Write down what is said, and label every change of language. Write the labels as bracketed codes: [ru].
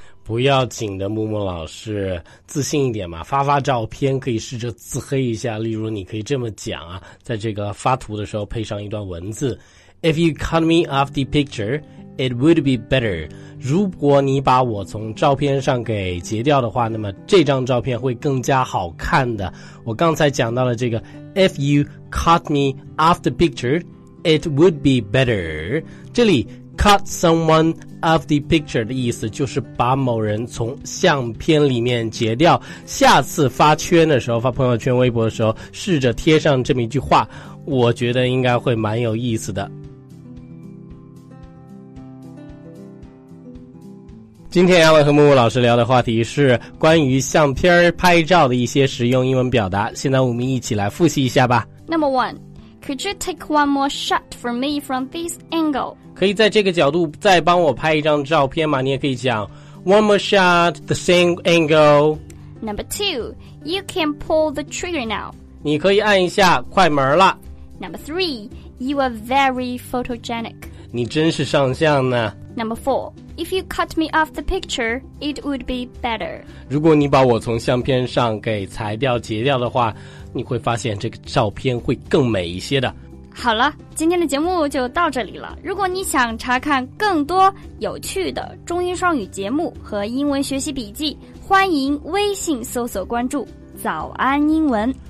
[zh] 不要紧的，木木老师，自信一点嘛，发发照片可以试着自黑一下。例如你可以这么讲啊，在这个发图的时候配上一段文字 [en] If you cut me off the picture,It would be better. [zh] 如果你把我从照片上给截掉的话，那么这张照片会更加好看的。我刚才讲到了这个 [en] If you cut me off the picture, it would be better. [zh] 这里 [en] cut someone off the picture [zh] 的意思就是把某人从相片里面截掉。下次发圈的时候，发朋友圈微博的时候，试着贴上这么一句话，我觉得应该会蛮有意思的。今天Alan和木木老师聊的话题是关于相片拍照的一些实用英文表达，现在我们一起来复习一下吧。 [en] Number one, Could you take one more shot for me from this angle? [zh] 可以在这个角度再帮我拍一张照片吗？你也可以讲 [en] One more shot, the same angle. Number two, You can pull the trigger now. [zh] 你可以按一下快门了。 [en] Number three, You are very photogenic. [zh] 你真是上相呢。 [en] Number four,If you cut me off the picture, it would be better. [zh] 如果你把我从相片上给裁掉、截掉的话，你会发现这个照片会更美一些的。好了，今天的节目就到这里了。如果你想查看更多有趣的中英双语节目和英文学习笔记，欢迎微信搜索关注早安英文。